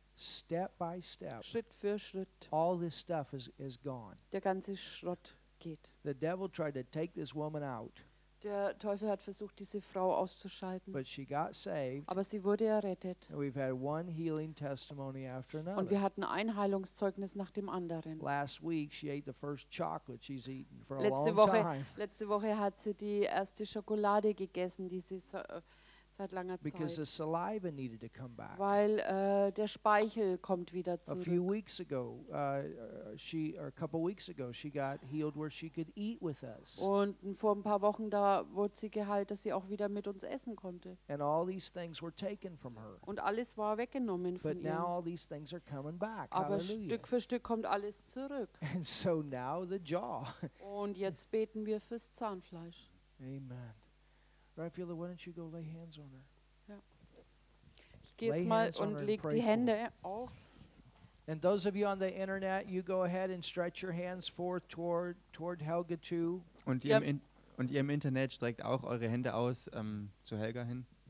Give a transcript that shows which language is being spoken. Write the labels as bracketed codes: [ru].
[en] Step by step, [de] Schritt für Schritt. [en] All this stuff is gone. [de] Der ganze Schrott geht. [en] The devil tried to take this woman out. [de] Der Teufel hat versucht, diese Frau auszuschalten. [en] But she got saved. [de] Aber sie wurde errettet. [en] And we've had one healing testimony after another. [de] Und wir hatten ein Heilungszeugnis nach dem anderen. [en] Last week she ate the first chocolate she's eaten for [de] Letzte Woche hat sie die erste Schokolade gegessen, die sie seit langer [en] Because [de] Zeit. [en] The saliva needed to come back. [de] Weil der Speichel kommt wieder zurück. [en] A few weeks ago, a couple weeks ago, she got healed where she could eat with us. [de] Und vor ein paar Wochen da wurde sie geheilt, dass sie auch wieder mit uns essen konnte. [en] And all these things were taken from her. [de] Und alles war weggenommen [en] But [de] von ihr. [en] But now all these things are coming back. [de] Aber [en] Hallelujah. [de] Stück für Stück kommt alles zurück. [en] And so now the jaw. [de] Und jetzt beten wir fürs Zahnfleisch. [en] Amen. Raphaela, why don't you go lay hands on her? [de] Ich gehe jetzt mal und leg die Hände auf. [en] And those of you on the internet, you go ahead and stretch your hands forth toward Helga too. [de] Und ihr, yep. Und ihr im Internet streckt auch eure Hände aus zu Helga hin.